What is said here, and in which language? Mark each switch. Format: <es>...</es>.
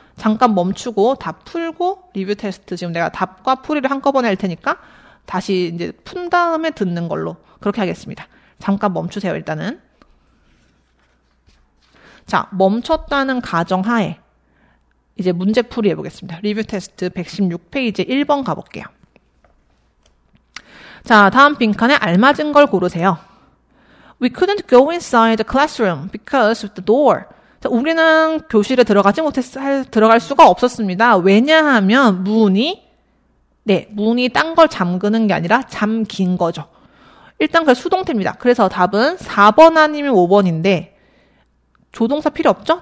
<ko>잠깐 멈추고 다 풀고 리뷰 테스트 지금 내가 답과 풀이를 한꺼번에 할 테니까 다시 이제 푼 다음에 듣는 걸로 그렇게 하겠습니다. 잠깐 멈추세요. 일단은. 자, 멈췄다는 가정하에 이제 문제 풀이 해보겠습니다. 리뷰 테스트 116페이지 1번 가볼게요. 자, 다음 빈칸에 알맞은 걸 고르세요.</ko> <en>We couldn't go inside the classroom because of the door.</en> <ko>자, 우리는 교실에 들어가지 들어갈 수가 없었습니다. 왜냐하면 문이 딴 걸 잠그는 게 아니라 잠긴 거죠. 일단 그 수동태입니다. 그래서 답은 4번 아니면 5번인데 조동사 필요 없죠?</ko>